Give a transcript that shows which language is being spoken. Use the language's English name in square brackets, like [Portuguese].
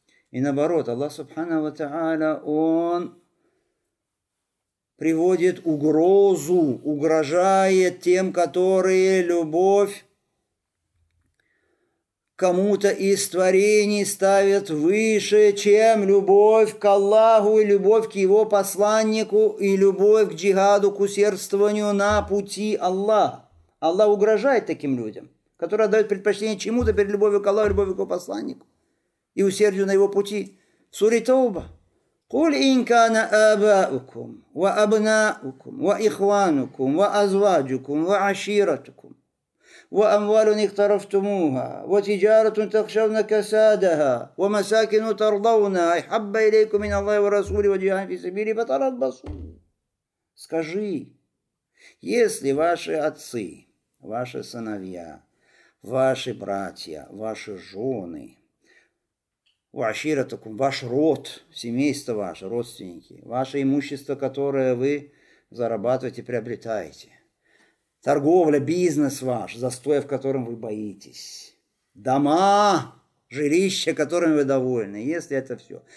[Russian] И наоборот, Аллах, субхана ва та'аля, он приводит угрозу, угрожает тем, которые любовь кому-то из творений ставят выше, чем любовь к Аллаху и любовь к его посланнику и любовь к джихаду, к усердствованию на пути Аллаха. Аллах угрожает таким людям, которые отдают предпочтение чему-то перед любовью к Аллаху и любовью к его посланнику и усердию на его пути. Сура Тауба. [Arabic] قل إن كان آباؤكم وأبناؤكم وإخوانكم وأزواجكم وعشيرتكم وأموال اقترفتموها وتجارة تخشون كسادها ومساكن ترضونها أحب إليكم من الله ورسوله وجهاد في سبيله فتربصوا. [Russian] Скажи, если ваши отцы, ваши сыновья, ваши братья, ваши жены, ваш род, семейство ваше, родственники, ваше имущество, которое вы зарабатываете, приобретаете, торговля, бизнес ваш, застоя, в котором вы боитесь, дома, жилища, которыми вы довольны, если это все.